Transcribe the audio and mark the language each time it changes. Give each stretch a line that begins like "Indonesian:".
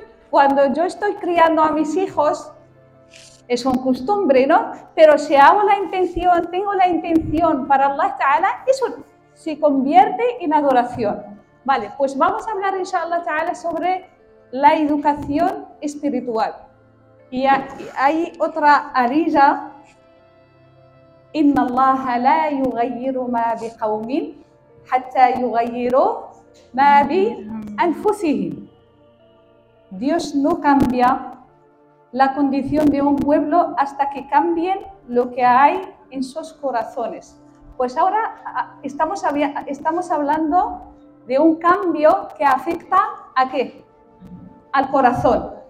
Spanish: Cuando yo estoy criando a mis hijos, es una costumbre, ¿no? Pero si hago la intención, tengo la intención para Allah Ta'ala, eso se convierte en adoración. Vale, pues vamos a hablar, inshallah Ta'ala, sobre la educación espiritual. Y hay otra arilla.
Arabic: إن الله لا يغير ما بقوم حتى يغيروا ما بأنفسهم.
Spanish: Dios no cambia la condición de un pueblo hasta que cambien lo que hay en sus corazones. Pues ahora estamos hablando de un cambio que afecta ¿a qué? Al corazón.